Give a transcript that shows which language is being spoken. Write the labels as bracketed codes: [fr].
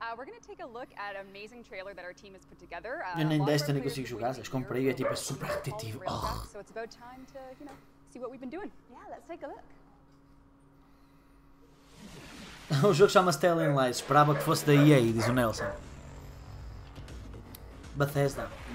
[en] We're going to take a look at an amazing trailer that our team has put together. [pt] Eu nem Destiny consigo jogar, as comprei, é tipo super repetitivo. [en] So it's about time to, you know, see what we've been doing. Yeah, let's take a look. [pt] O jogo chama-se Telling Lies, esperava que fosse da EA, diz o Nelson. Bethesda.